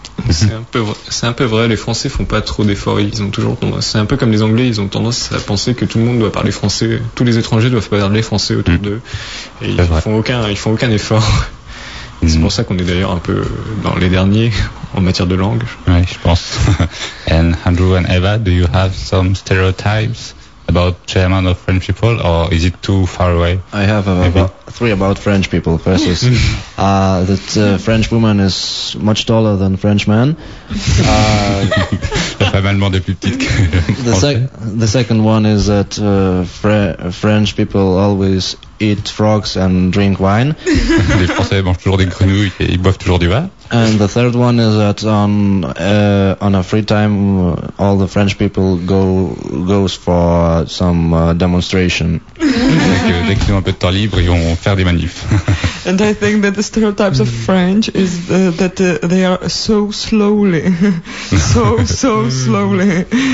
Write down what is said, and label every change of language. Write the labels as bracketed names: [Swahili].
[French] C'est un peu vrai, les Français font pas trop d'efforts, ils ont toujours tendance. C'est un peu comme les Anglais, ils ont tendance à penser que tout le monde doit parler français, tous les étrangers doivent parler français autour d'eux. Et ils font aucun effort. C'est pour ça qu'on est d'ailleurs un peu dans les derniers en matière de langue. Oui, je pense. [English] And Andrew and Eva, do you have some stereotypes about German or French people, or is it too far away? I have three about French people. First is that French woman is much taller than French man. The second one is that French people always eat frogs and drink wine. [French] Les Français mangent toujours des grenouilles et ils boivent toujours du vin. [English] And the third one is that on a free time, all the French people goes for some demonstration. [French] Dès qu'ils ont un peu de temps libre, ils vont faire des manifs. [English] And I think that the stereotypes of French is that they are so slowly, so slowly.